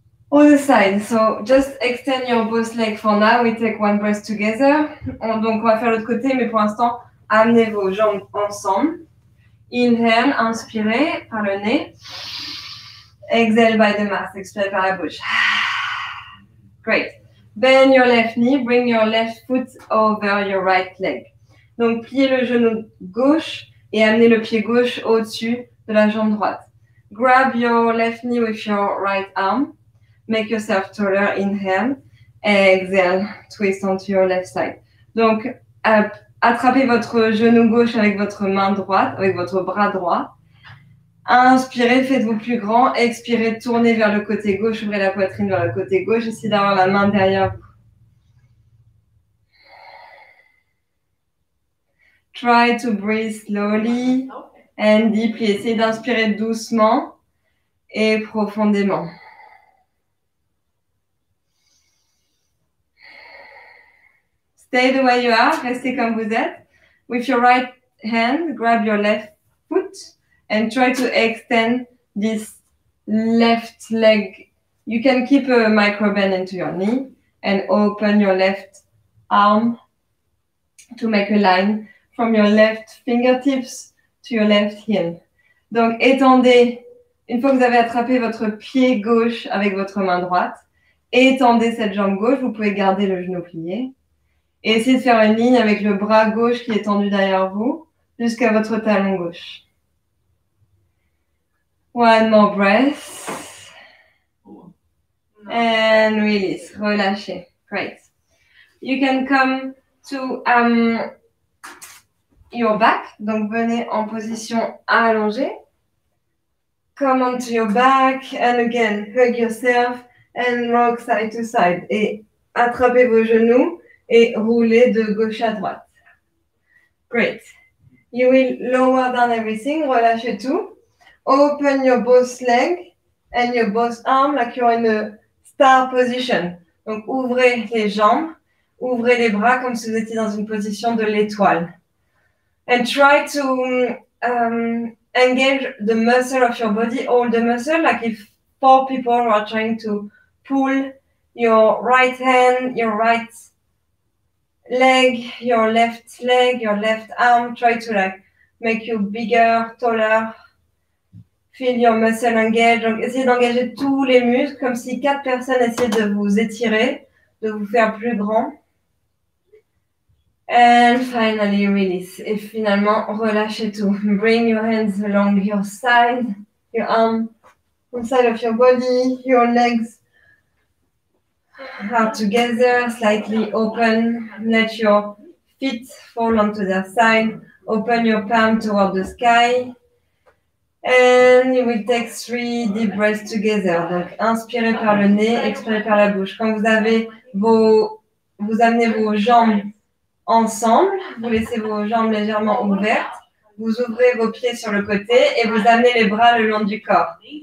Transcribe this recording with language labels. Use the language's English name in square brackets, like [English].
[English] Other side, so just extend your both legs for now. We take one breath together. [French] Donc, on va faire l'autre côté, mais pour l'instant, amenez vos jambes ensemble. [English] Inhale, [French] inspirez par le nez. [English] Exhale by the mouth, [French] expirez par la bouche. [English] Great. Bend your left knee, bring your left foot over your right leg. [French] Donc, pliez le genou gauche et amenez le pied gauche au-dessus de la jambe droite. [English] Grab your left knee with your right arm. Make yourself taller, inhale, exhale, twist onto your left side. [French] Donc, attrapez votre genou gauche avec votre main droite, avec votre bras droit. Inspirez, faites-vous plus grand, expirez, tournez vers le côté gauche, ouvrez la poitrine vers le côté gauche, essayez d'avoir la main derrière vous. [English] Try to breathe slowly and deeply, [French] essayez d'inspirer doucement et profondément. [English] Stay the way you are, [French] restez comme vous êtes. [English] With your right hand, grab your left foot and try to extend this left leg. You can keep a micro bend into your knee and open your left arm to make a line from your left fingertips to your left heel. [French] Donc étendez, une fois que vous avez attrapé votre pied gauche avec votre main droite, étendez cette jambe gauche, vous pouvez garder le genou plié. Et essayez de faire une ligne avec le bras gauche qui est tendu derrière vous jusqu'à votre talon gauche. [English] One more breath. And release. [French] Relâchez. [English] Great. You can come to your back. [French] Donc, venez en position allongée. [English] Come onto your back. And again, hug yourself and rock side to side. [French] Et attrapez vos genoux. Et roulez de gauche à droite. [English] Great. You will lower down everything. [French] Relâchez tout. [English] Open your both legs and your both arms like you're in a star position. [French] Donc, ouvrez les jambes. Ouvrez les bras comme si vous étiez dans une position de l'étoile. [English] And try to engage the muscle of your body, all the muscle, like if four people are trying to pull your right hand, your right leg, your left leg, your left arm. Try to like make you bigger, taller. Feel your muscle engage. [French] Donc, essayez d'engager tous les muscles comme si quatre personnes essayaient de vous étirer, de vous faire plus grand. [English] And finally, release. [French] Et finalement, relâchez tout. [English] Bring your hands along your side, your arm, inside of your body, your legs are together, slightly open. Let your feet fall onto their side. Open your palm toward the sky. And you will take three deep breaths together. [French] Donc, inspirez par le nez, expirez par la bouche. Quand vous avez vous amenez vos jambes ensemble, vous laissez vos jambes légèrement ouvertes, vous ouvrez vos pieds sur le côté et vous amenez les bras le long du corps.